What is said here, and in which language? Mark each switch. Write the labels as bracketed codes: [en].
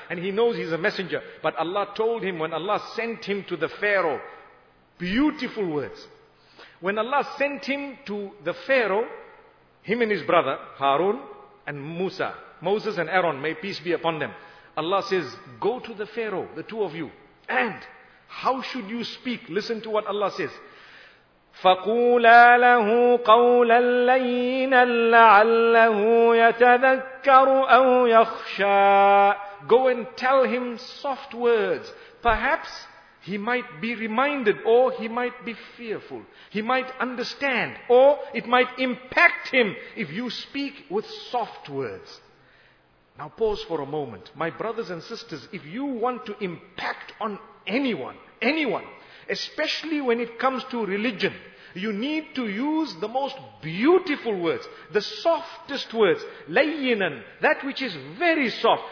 [en] And he knows he's a messenger. But Allah told him when Allah sent him to the Pharaoh, beautiful words. When Allah sent him to the Pharaoh, him and his brother Harun and Musa, Moses and Aaron, may peace be upon them. Allah says, go to the Pharaoh, the two of you. And how should you speak? Listen to what Allah says. [ar] فَقُولَا لَهُ قَوْلًا لَيِّنًا لَعَلَّهُ يَتَذَكَّرُ أَوْ يَخْشَى [en] Go and tell him soft words. Perhaps he might be reminded or he might be fearful. He might understand or it might impact him if you speak with soft words. Now pause for a moment. My brothers and sisters, if you want to impact on anyone, especially when it comes to religion, you need to use the most beautiful words, the softest words, layyinan, that which is very soft.